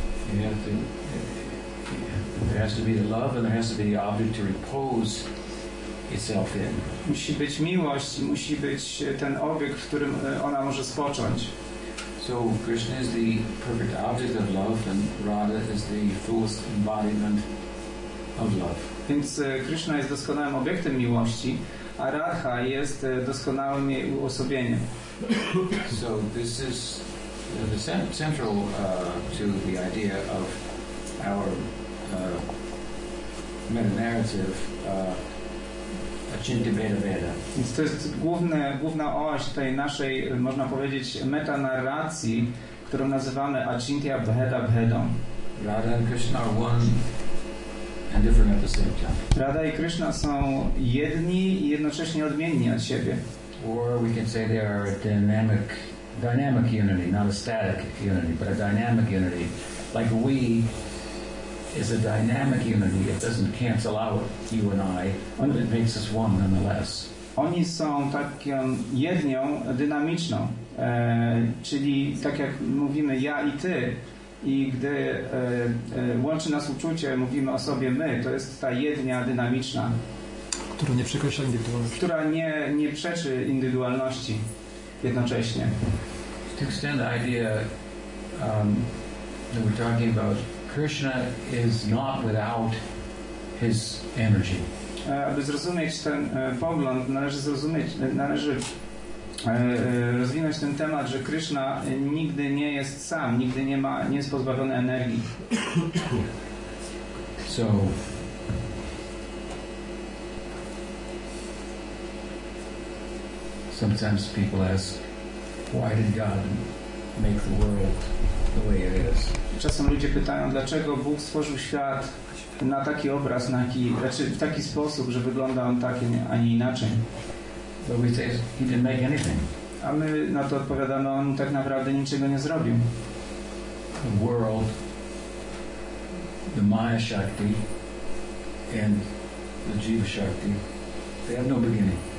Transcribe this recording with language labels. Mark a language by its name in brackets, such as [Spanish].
[English] There has to be the love, and there has to be the object to repose itself in. [Polish] Musi być miłość, musi być ten obiekt, w którym ona może spocząć. [English] So Krishna is the perfect object of love, and Radha is the fullest embodiment of love. [Polish] Więc Krishna jest doskonałym obiektem miłości, a Radha jest doskonałym jej uosobieniem. [English] So this is the central to the idea of our meta-narrative, Chintaveda-Veda. [Polish] Więc to jest główna oś tej naszej, można powiedzieć, metanarracji, którą nazywamy Achintya-Veda-Vedam. [English] Radha and Krishna are one and different at the same time. [Polish] Radha i Krishna są jedni i jednocześnie odmienni od siebie. [English] Or we can say they are a dynamic unity, not a static unity, but a dynamic unity. Like we is a dynamic unity. It doesn't cancel out you and I, but it makes us one nonetheless. [Polish] Oni są taką jednią dynamiczną, czyli tak jak mówimy ja i ty, i gdy łączy nas uczucie, mówimy o sobie my, to jest ta jednia dynamiczna, która nie przekracza indywidualności. Która nie przeczy indywidualności jednocześnie. [English] To extend the idea that we're talking about, Krishna is not without his energy. [Polish] Aby zrozumieć ten pogląd, należy rozwinąć ten temat, że Krishna nigdy nie jest sam, nigdy nie jest pozbawiony energii. [English] So sometimes people ask, why did God make the world the way it is? [Polish] Czasem ludzie pytają, dlaczego Bóg stworzył świat na taki obraz, w taki sposób, że wygląda on tak, a nie inaczej. [English] But we say, he didn't make anything. [Polish] A my na to odpowiadamy, on tak naprawdę niczego nie zrobił. [English] The world, the Maya Shakti and the Jiva Shakti, they have no beginning.